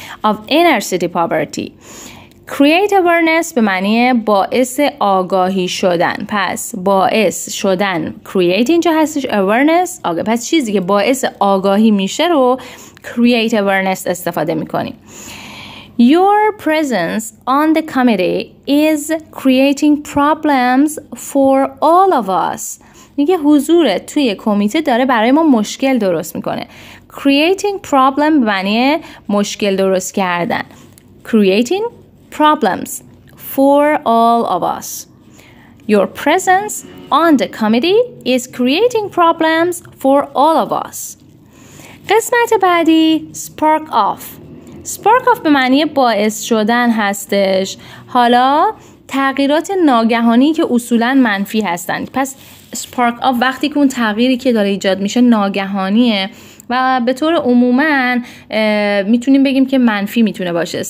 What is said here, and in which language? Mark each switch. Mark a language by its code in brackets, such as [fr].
[en] Of Inner City Poverty. Create Awareness [fa] به معنی باعث آگاهی شدن. پس باعث شدن. Create اینجا هستش. Awareness. آگاه. پس چیزی که باعث آگاهی میشه رو Create Awareness استفاده میکنیم. [en] Your presence on the committee is creating problems for all of us. [fa] میگه حضورت توی کمیته داره برای ما مشکل درست میکنه. [en] Creating problem [fa] معنی مشکل درست کردن. [en] Creating problems for all of us. Your presence on the committee is creating problems for all of us. [fa] قسمت بعدی spark off. Spark off به معنی باعث شدن هستش. حالا تغییرات ناگهانی که اصولاً منفی هستند. پس spark off وقتی که اون تغییری که داره ایجاد میشه ناگهانیه و به طور عموماً میتونیم بگیم که منفی میتونه باشه.